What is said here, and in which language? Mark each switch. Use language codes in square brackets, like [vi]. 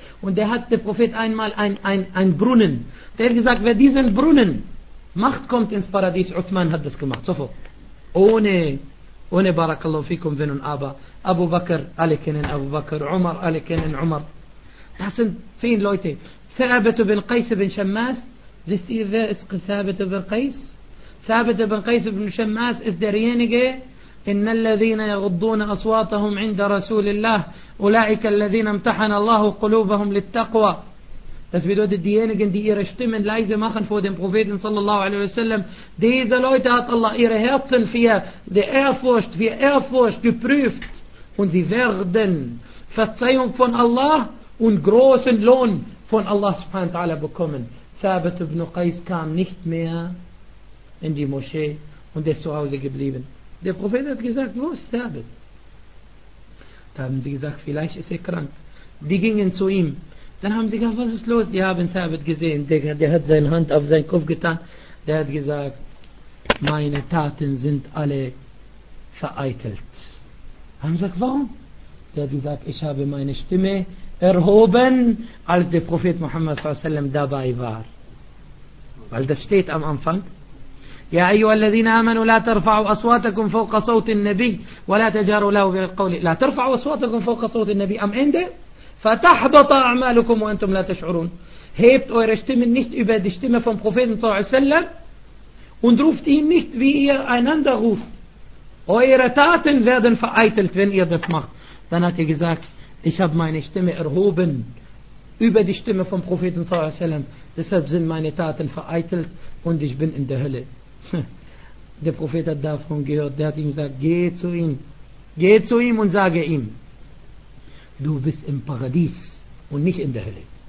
[de] Und der hat der Prophet einmal ein Brunnen. Der hat gesagt, wer diesen Brunnen macht, kommt ins Paradies. Uthman hat das gemacht, sofort. Ohne Barakallahu fikum, wenn und aber. Abu Bakr, alle kennen Abu Bakr. Umar, alle kennen Umar. Das sind 10 Leute. Thabit ibn Qais ibn Shammas. Wisst ihr, wer ist Thabit ibn Qais? Thabit ibn Qais ibn Shammas ist derjenige, [ar] إن الذين يغضون أصواتهم عند رسول الله أولئك الذين امتحن الله قلوبهم للتقوى. [de] Das bedeutet, diejenigen, die ihre Stimmen leise machen vor dem Propheten sallallahu alaihi wasallam, diese Leute hat Allah ihre Herzen für Ehrfurcht geprüft und sie werden Verzeihung von Allah und großen Lohn von Allah subhanahu wa ta'ala bekommen. Thabit ibn Qais kam nicht mehr in die Moschee und ist zu Hause geblieben. Der Prophet hat gesagt, wo ist Thabit? Da haben sie gesagt, vielleicht ist er krank. Die gingen zu ihm. Dann haben sie gesagt, was ist los? Die haben Thabit gesehen. Der hat seine Hand auf seinen Kopf getan. Der hat gesagt, meine Taten sind alle vereitelt. Haben sie gesagt, warum? Der hat gesagt, ich habe meine Stimme erhoben, als der Prophet Muhammad sallallahu alaihi wasallam dabei war. Weil das steht am Anfang. [ar] يا أيها الذين آمنوا لا ترفعوا أصواتكم فوق صوت النبي ولا تجاروا له بالقول لا ترفعوا أصواتكم فوق صوت النبي أم عنده فتحبط أعمالكم وأنتم لا تشعرون هيبت [de] eure Stimmen nicht über die Stimme vom Propheten [ar] صلى الله عليه وسلم [de] und ruft ihn nicht wie ihr einander ruft eure Taten werden vereitelt wenn ihr das macht. Dann hat er gesagt, ich habe meine Stimme erhoben über die Stimme vom Propheten [ar] صلى الله عليه وسلم, [de] deshalb sind meine Taten vereitelt und ich bin in der Hölle. Der Prophet hat davon gehört. Der hat ihm gesagt, geh zu ihm und sage ihm, du bist im Paradies und nicht in der Hölle.